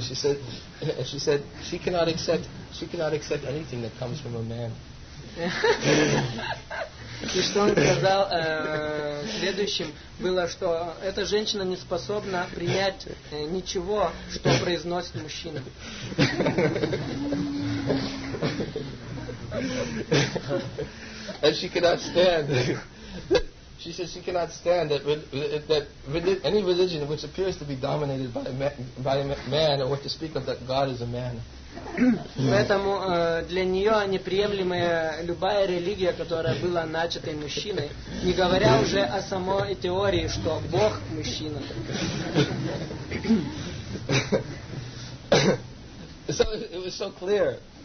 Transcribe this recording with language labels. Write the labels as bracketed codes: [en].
[en] She said she cannot accept anything that comes from a man. [ru] И что он сказал следующим было, что эта женщина не способна принять ничего, что произносит мужчина. [en] And she cannot stand. She says she cannot stand that any religion which appears to be dominated by a man or to speak of that God is a man. [ru] Поэтому для нее неприемлемая любая религия, которая была начатой мужчиной, не говоря уже о самой теории, что Бог мужчина. [en] So it was so clear.